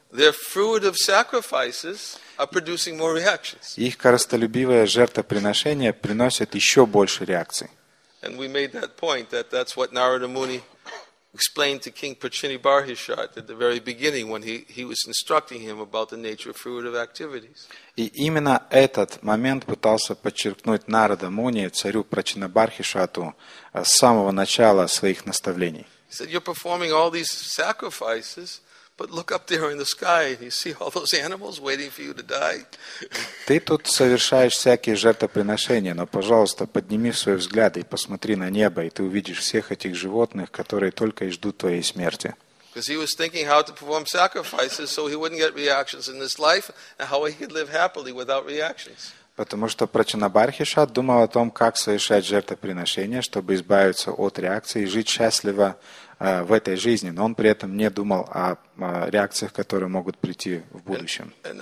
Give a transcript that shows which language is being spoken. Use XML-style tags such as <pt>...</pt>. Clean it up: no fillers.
<en>their fruit of sacrifices are producing more reactions.</en> <ru>Их корыстолюбивое жертвоприношение приносит еще больше реакций.</ru> <en>And we made that point that that's what Narada Muni explained to King Prachinibarhishad at the very beginning when he was instructing him about the nature of fruitive activities.</en> <ru>И именно этот момент пытался подчеркнуть Нарада Муни царю Прачинабархишату с самого начала своих наставлений.</ru> <en>He said, you're performing all these sacrifices, but look up there in the sky and you see all those animals waiting for you to die.</en> <ru>Ты тут совершаешь всякие жертвоприношения, но, пожалуйста, подними свой взгляд и посмотри на небо, и ты увидишь всех этих животных, которые только и ждут твоей смерти.</ru> <en>Because he was thinking how to perform sacrifices so he wouldn't get reactions in this life and how he could live happily without reactions.</en> <ru>Потому что Прачинабархишат думал о том, как совершать жертвоприношения, чтобы избавиться от реакции и жить счастливо в этой жизни, но он при этом не думал о реакциях, которые могут прийти в будущем.</ru>